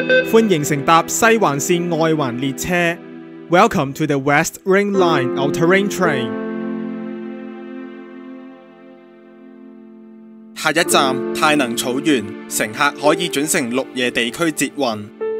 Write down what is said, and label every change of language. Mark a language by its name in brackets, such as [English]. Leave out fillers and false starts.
[Chinese] 欢迎乘搭西环线外环列车。 [English] Welcome to the West Ring Line All-Terrain Train. [Chinese] 下一站太能草原，乘客可以转乘绿野地区捷运。